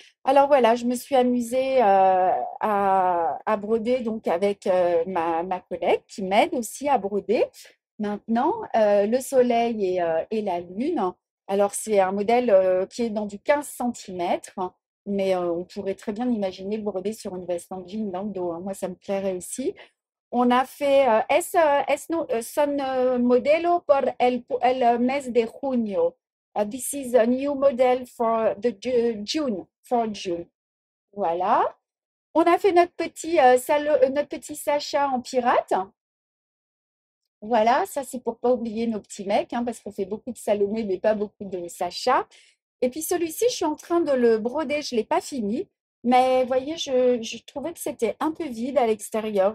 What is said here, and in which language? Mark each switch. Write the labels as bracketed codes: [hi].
[fr] Alors voilà, je me suis amusée à broder donc avec ma collègue qui m'aide aussi à broder. Maintenant, le soleil et la lune. Alors, c'est un modèle qui est dans du 15 cm, mais on pourrait très bien imaginer broder sur une veste en jean dans le dos. Hein. Moi, ça me plairait aussi. On a fait son [es] modelo por el mes de junio. [en] This is a new model for the June, for June. [fr] Voilà. On a fait notre petit Sacha en pirate. Voilà, ça c'est pour pas oublier nos petits mecs, hein, parce qu'on fait beaucoup de Salomé, mais pas beaucoup de Sacha. Et puis celui-ci, je suis en train de le broder, je ne l'ai pas fini. Mais vous voyez, je trouvais que c'était un peu vide à l'extérieur.